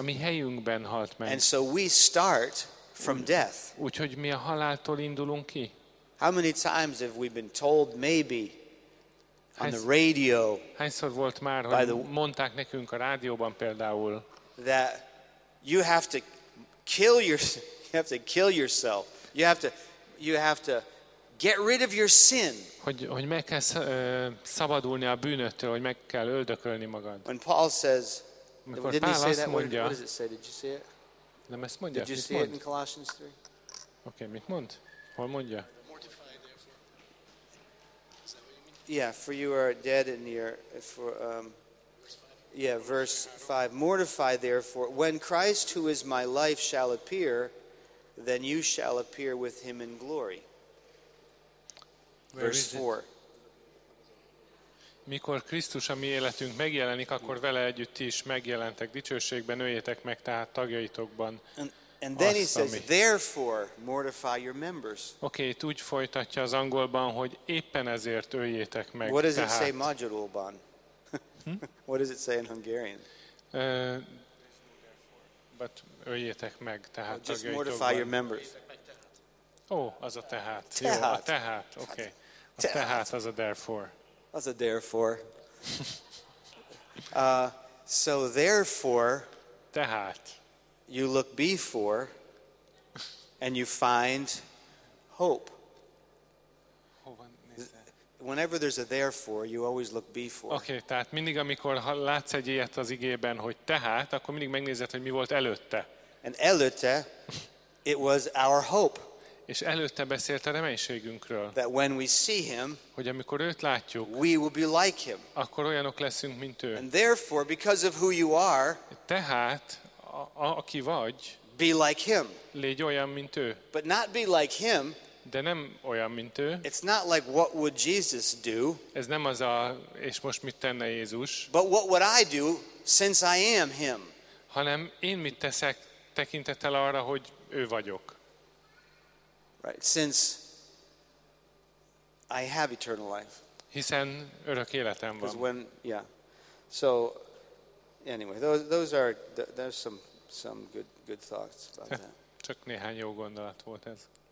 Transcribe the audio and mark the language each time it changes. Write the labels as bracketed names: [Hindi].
[Hungarian] A mi helyünkben halt meg. [English] And so we start from death. [Hungarian] Úgyhogy mi a haláltól indulunk ki. [English] How many times have we been told maybe on the radio? [Hungarian] Hányszor volt már, hogy mondták nekünk a rádióban például, [English] that you have to kill yourself. You have to get rid of your sin. [Hungarian] Hogy meg kell szabadulni a bűnöttől, hogy meg kell öldökölni magad. [English] When Paul says, did he say that? [Hungarian] Mondja, [English] what does it say? Did you see it? [Hungarian] Nem ezt mondja. [English] Did you see it in Colossians 3? [Hungarian] Okay, mit mond? Hol mondja? [English] Yeah, for you are dead in your verse 5. Mortify therefore, when Christ, who is my life, shall appear, then you shall appear with him in glory. Verse 4. [Hungarian] Mikor Krisztus a mi életünk megjelenik, akkor vele együtt is megjelentek dicsőségben, nőjétek meg tehát tagjaitokban. [English] And then he says, therefore, mortify your members. [Hungarian] Okay, itt úgy folytatja az angolban, hogy éppen ezért öljétek meg. [English] What does it say in Magyarulban? What does it say in Hungarian? But [Hungarian] öljétek meg, tehát [English] just mortify your members. [Hungarian] Oh, az a tehát. Jó, a tehát, okay. A tehát az a therefore. Az a therefore. [English] So therefore. [Hungarian] Tehát. [English] You look before and you find hope. Whenever there's a therefore, you always look before. [Hungarian] Okay, tehát mindig amikor látsz egy ilyet az igében, hogy tehát, akkor mindig megnézed, hogy mi volt előtte. [English] And [Hungarian] előtte [English] it was our hope. [Hungarian] És előtte beszélt a reménységünkről. [English] That when we see him, [Hungarian] hogy amikor őt látjuk, [English] we will be like him. [Hungarian] Akkor olyanok leszünk, mint ő. [English] And therefore, because of who you are, [Hungarian] tehát aki vagy, [English] Be like him. [Hungarian] Légy olyan, mint ő. [English] But not be like him. [Hungarian] De nem olyan, mint ő. [English] It's not like what would Jesus do. [Hungarian] Ez nem az a, és most mit tenne Jézus. [English] But what would I do since I am him. [Hungarian] Hanem én mit teszek tekintettel arra, hogy ő vagyok. [English] Right, since I have eternal life. [Hungarian] Hiszen örök életem van. [English] When, yeah. So anyway, those are there's some good thoughts about that. [Hungarian] Csak néhány jó gondolat volt ez.